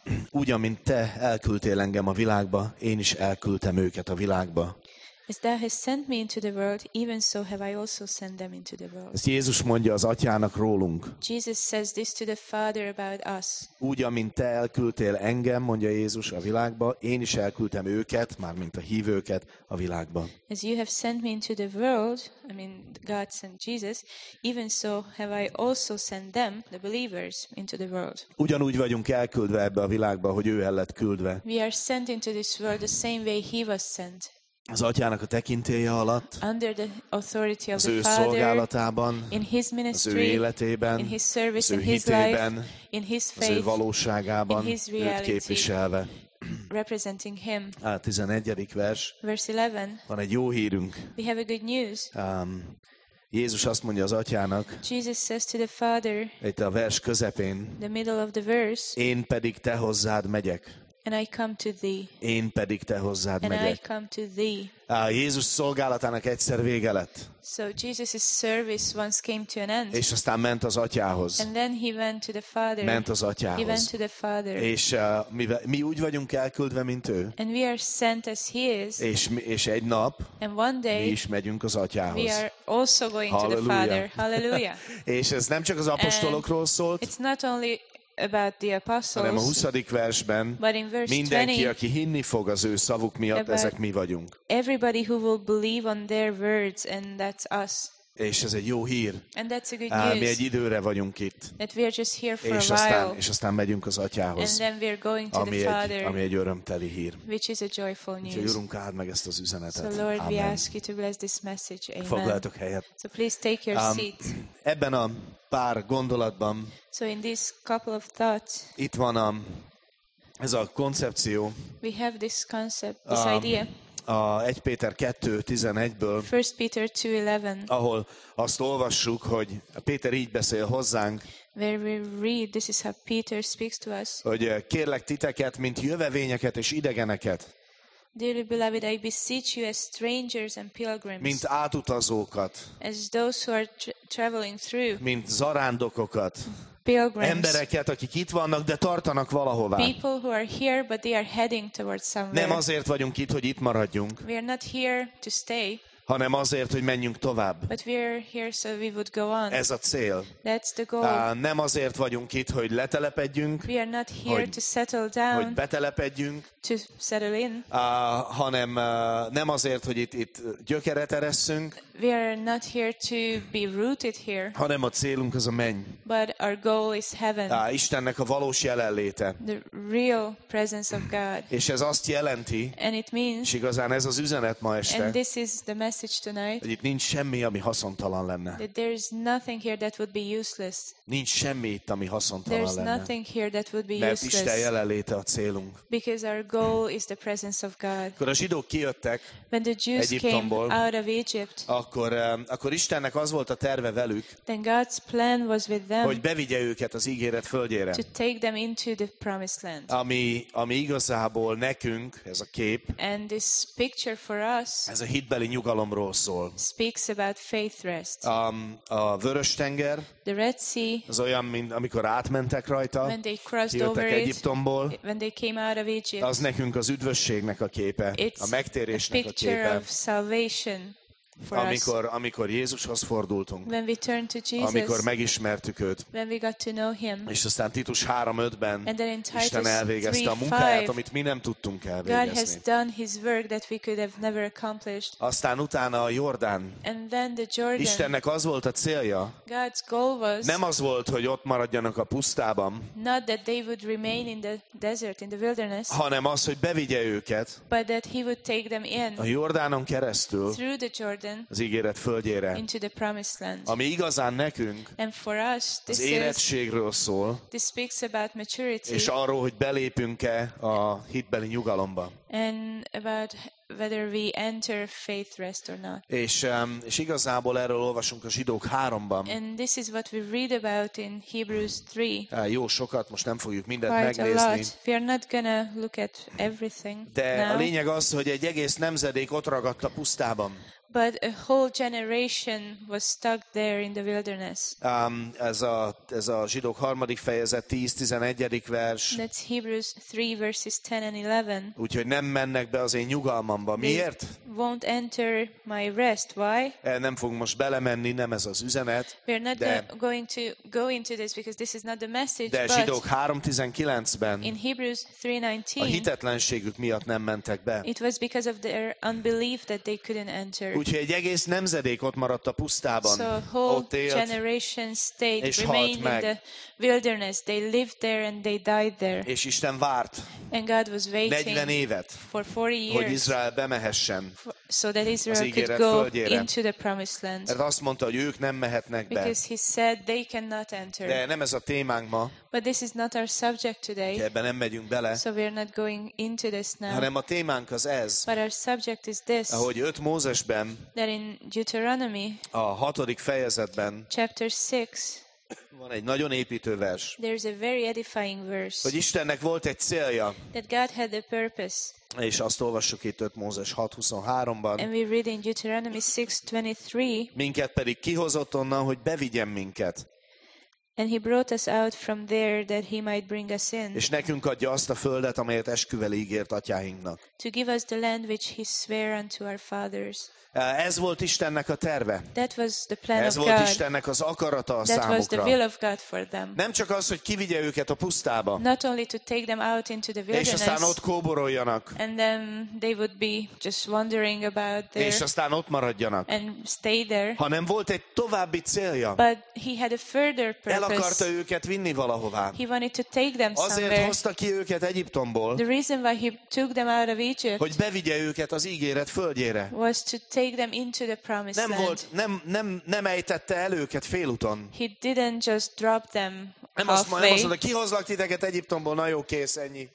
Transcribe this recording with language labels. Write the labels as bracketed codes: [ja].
[hu] Úgy, amint te elküldtél engem a világba, én is elküldtem őket a világba. [en] As thou hast sent me into the world, even so have I also sent them into the world. [hu] Ezt Jézus mondja az atyának rólunk. [en] Jesus says this to the Father about us. [hu] Úgy, amint te elküldtél engem, mondja Jézus, a világba, én is elküldtem őket, mármint a hívőket a világba. [en] As you have sent me into the world, I mean God sent Jesus, even so have I also sent them, the believers, into the world. [hu] Ugyanúgy vagyunk elküldve ebbe a világba, hogy ő el lett küldve. [en] We are sent into this world the same way he was sent. [hu] Az atyának a tekintélye alatt, [en] under the authority of [hu] az ő szolgálatában, [en] in his ministry, [hu] az ő életében, [en] in his service, [hu] az ő [en] in [hu] hitében, [en] life, in his faith, [hu] az ő valóságában, [en] in his reality, [hu] őt képviselve. [en] Representing him. [hu] A 11. vers. [en] Verse 11. [hu] Van egy jó hírünk. [en] We have a good news. [hu] Jézus azt mondja az atyának, [en] Jesus says to the Father, [hu] itt a vers közepén, [en] the middle of the verse, [hu] én pedig te hozzád megyek. [en] And I come to thee. [hu] Én pedig te hozzád megyek. [en] And I come to thee. [hu] Jézus szolgálatának egyszer vége lett. [en] So Jesus's service once came to an end. [hu] És aztán ment az atyához. [en] And then he went to the Father. [hu] Ment az atyához. [en] He went to the Father. [hu] És mi úgy vagyunk elküldve, mint ő. [en] And we are sent as he is. [hu] És egy nap. [en] And one day. [hu] Mi is megyünk az atyához. [en] We are also going [hu] Halleluja. [en] To the Father. Hallelujah. [hu] És ez nem csak az apostolokról szólt. [en] It's not only about the apostles, [hu] hanem a 20. versben mindenki, [en] 20, [hu] aki hinni fog az ő szavuk miatt, ezek mi vagyunk. [en] Everybody who will believe on their words, and that's us. [hu] És ez egy jó hír. [en] And that's a good news. [hu] Mi egy időre vagyunk itt. [en] That we are just here for [hu] és [en] a while. [hu] És aztán megyünk az atyához. [en] And then we are going to [hu] ami [en] the Father. [hu] Ami egy örömteli hír. [en] Which is a joyful news. [hu] Úgyhogy Urunk, áld meg ezt az üzenetet. [en] So Lord, Amen. We ask you to bless this message. Amen. [hu] Foglaltok helyet. [en] So please take your seat. [hu] Ebben a pár gondolatban. [en] So in this couple of thoughts. [hu] Itt van ez a koncepció. [en] We have this concept, this idea. [hu] A 1 Péter 2:11-ből, ahol azt olvassuk, hogy Péter így beszél hozzánk, [en] where we read, this is how Peter speaks to us, [hu] hogy kérlek titeket, mint jövevényeket és idegeneket, [en] dearly beloved, I beseech you as strangers and pilgrims, [hu] mint átutazókat, [en] as those who are traveling through, [hu] mint zarándokokat, [en] pilgrims, [hu] embereket, akik itt vannak, de tartanak valahová. [en] People who are here, but they are heading towards somewhere. [hu] Nem azért vagyunk itt, hogy itt maradjunk. [en] We are not here to stay. [hu] hanem azért, hogy menjünk tovább. [en] But we're here so we would go on. [hu] Ez a cél. [en] That's the goal. [hu] Nem azért vagyunk itt, hogy letelepedjünk. [en] We are not here to settle down. [hu] Hogy betelepedjünk. [en] To settle in. [hu] Hanem nem azért, hogy itt gyökeret eresszünk. [en] We are not here to be rooted here. [hu] Hanem a célunk az a menny. [en] But our goal is heaven. [hu] Istennek a valós jelenléte. [en] The real presence of God. [hu] És ez azt jelenti. [en] And it means. [hu] És igazán ez az üzenet ma este. [en] And this is the message tonight. [hu] Hogy itt nincs semmi, ami haszontalan lenne. [en] That there is nothing here that would be useless. [hu] Nincs semmi itt, ami haszontalan [en] There's [hu] lenne. [en] There's nothing here that would be [hu] Mert [en] useless. [hu] Mert Isten jelenléte a célunk. [en] Because our goal is the presence of God. [hu] Akkor a zsidók kijöttek [en] When the Jews [hu] Egyiptomból, [en] came out of Egypt. [hu] Akkor Istennek az volt a terve velük, [en] Then God's plan was with them, [hu] hogy bevigye őket az ígéret földjére. [en] To take them into the promised land. [hu] Ami igazából nekünk, ez a kép, [en] And this picture for us, [hu] ez a hitbeli nyugalomról szól. [en] Speaks about faith rest. [hu] A Vöröstenger, [en] the Red Sea, [hu] az olyan, mint amikor átmentek rajta, [en] when they crossed over [hu] Egyiptomból, [en] it, when they came out of Egypt. [hu] Az nekünk az üdvösségnek a képe, [en] It's [hu] a megtérésnek a [en] picture [hu] a képe. [en] Of salvation. [hu] Amikor Jézushoz fordultunk, [en] when we turned to Jesus, [hu] amikor megismertük őt, [en] when we got to know him, [hu] és aztán Titus 3:5-ben Isten elvégezte [en] 3, [hu] a munkáját, amit mi nem tudtunk elvégezni. [en] God has done his work that we could have never accomplished. [hu] Aztán utána a Jordán. [en] And then the Jordan. [hu] Istennek az volt a célja, [en] God's goal was, [hu] nem az volt, hogy ott maradjanak a pusztában, [en] not that they would remain in the desert, in the wilderness, [hu] hanem az, hogy bevigye őket, [en] but that he would take them in, [hu] a Jordánon keresztül, [en] through the Jordan, [hu] az ígéret földjére, [en] into the promised land. [hu] Ami igazán nekünk [en] And for us, this [hu] az érettségről szól, [en] this speaks about maturity, [hu] és arról, hogy belépünk-e a hitbeli nyugalomba. [en] And about whether we enter faith rest or not. [hu] És igazából erről olvasunk a Zsidók 3-ban. [en] And this is what we read about in Hebrews 3. [hu] Jó sokat, most nem fogjuk mindent [en] Quite [hu] megnézni. [en] A lot. We are not gonna look at everything [hu] De [en] now. [hu] A lényeg az, hogy egy egész nemzedék ott ragadt a pusztában. [en] But a whole generation was stuck there in the wilderness. [hu] Ez a Zsidók 3. fejezet 10-11. Vers. [en] That's Hebrews 3 verses 10 and 11. [hu] Úgyhogy nem mennek be az én nyugalmamba. Miért? [en] They won't enter my rest. Why? [hu] Nem fogunk most belemenni, nem ez az üzenet. [en] We're not going to go into this because this is not the message. [hu] De Zsidók 3:19-ben. [en] In Hebrews 3:19. [hu] A hitetlenségük miatt nem mentek be. [en] It was because of their unbelief that they couldn't enter. [hu] Úgyhogy egy egész nemzedék ott maradt a pusztában, ott élt, és halt meg. [en] In the wilderness. They lived there and they died there. [hu] És Isten várt 40 évet, [en] for 40 years, [hu] hogy Izrael bemehessen [en] so that Israel [hu] az ígéret földjére. [en] Into the promised land. [hu] Mert azt mondta, hogy ők nem mehetnek be. [en] Because he said they cannot enter. [hu] De nem ez a témánk ma. [en] But this is not our subject today. [hu] Ebben nem megyünk bele. [en] So we are not going into this now. [hu] Hanem a témánk az ez. [en] But our subject is this. [hu] Ahogy 5 Mózesben. [en] That in Deuteronomy. [hu] A 6. fejezetben. [en] Chapter 6. [hu] Van egy nagyon építő vers. [en] There is a very edifying verse. [hu] Hogy Istennek volt egy célja. [en] That God had a purpose. [hu] És azt olvassuk itt 5 Mózes 6:23-ban. [en] And we read in Deuteronomy 6:23. [hu] Minket pedig kihozott onnan, hogy bevigyen minket. [en] And he brought us out from there that he might bring us in. [hu] És nekünk adja azt a földet, amelyet esküvel ígért atyáinknak. [en] To give us the land which he swore unto our fathers. [hu] Ez volt Istennek a terve. [en] That was the plan [hu] Ez [en] of God. [hu] Ez volt Istennek az akarata a [en] that [hu] számukra. [en] That was the will of God for them. [hu] Nem csak az, hogy kivigye őket a pusztába. [en] Not only to take them out into the wilderness. [hu] És aztán ott kóboroljanak. [en] And then they would be just wandering about there. [hu] És aztán ott maradjanak. [en] And stay there. [hu] Hanem volt egy további célja. [en] But he had a further purpose. [hu] El akarta őket vinni valahová. [en] He wanted to take them somewhere. [hu] Azért hozta ki őket Egyiptomból. [en] The reason why he took them out of Egypt. [hu] Hogy bevigye őket az ígéret földjére. [en] Was to take them into the promised [hu] nem [en] land. [hu] Volt, nem ejtette el őket félúton. [en] He didn't just drop them. [hu] Nem azt mondta, kihozlak titeket Egyiptomból, na jó, kész, ennyi.